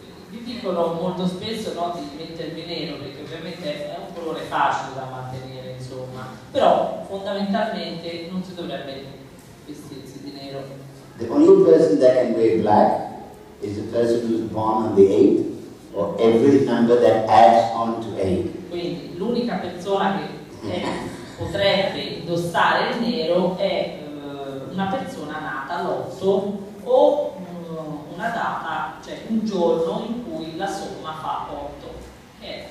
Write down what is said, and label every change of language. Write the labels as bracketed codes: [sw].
[it] Dicono molto spesso no, di mettermi nero perché ovviamente è un colore facile da mantenere, insomma, però fondamentalmente non si dovrebbe vestirsi di nero. [en] The only person that can wear black is the person who is born on the 8th or every number that adds on to 8. [it] Quindi l'unica persona che potrebbe indossare il nero è una persona nata all'8 o una data, cioè un giorno in cui la somma fa 8, che è